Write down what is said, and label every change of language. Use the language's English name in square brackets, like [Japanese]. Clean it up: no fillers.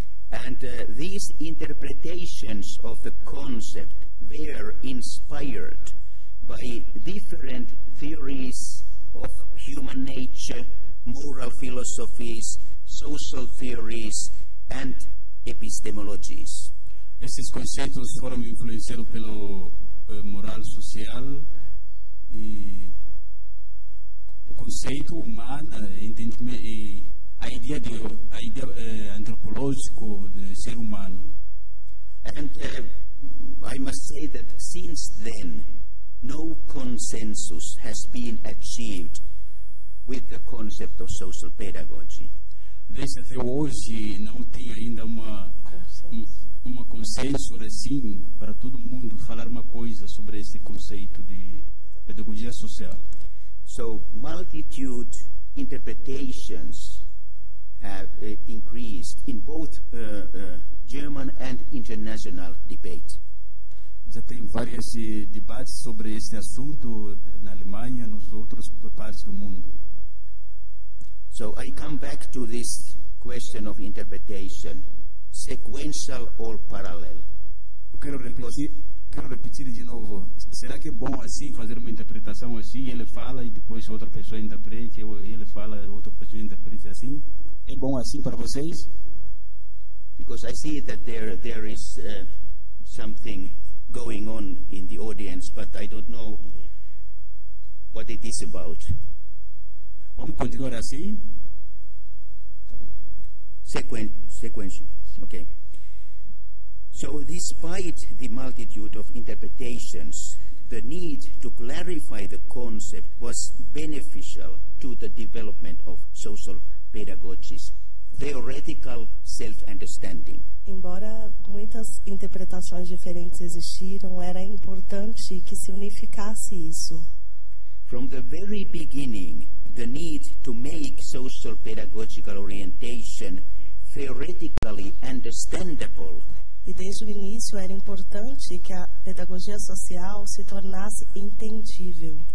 [English] And these interpretations of the concept were inspired by different theories of human nature, moral philosophies, social theories, and epistemologies. [Portuguese] Esses conceitos foram influenciados pela moral social e o conceito humano, entendimento, a ideia antropológico do ser humano. [English] And I must say that since then, no consensus has been achieved with the concept of social pedagogy. [Portuguese] Desde até hoje não tem ainda uma consenso assim para todo mundo falar uma coisa sobre esse conceito de pedagogia social. [English] So multitude interpretations have increased in both German and international debate. [Portuguese] Já tem vários debates sobre esse assunto na Alemanha, nos outros partes do mundo. [English] So I come back to this question of interpretation, sequential or parallel. [Portuguese] Quero repetir de novo. Será que é bom assim fazer uma interpretação assim? Ele fala e depois outra pessoa interprete, ele fala e outra pessoa interprete assim? É bom assim para vocês? [English] Because I see that there is something going on in the audience, but I don't know what it is about. [Portuguese] Vamos continuar assim? Tá bom. Sequência. Okay. [English] So, despite the multitude of interpretations, the need to clarify the concept was beneficial to the development of social pedagogy's theoretical self-understanding. [Portuguese] Embora muitas interpretações diferentes existiram, era importante que se unificasse isso. [English] From the very beginning, the need to make social pedagogical orientation theoretically understandable. [Portuguese] E desde o início era importante que a pedagogia social se tornasse entendível.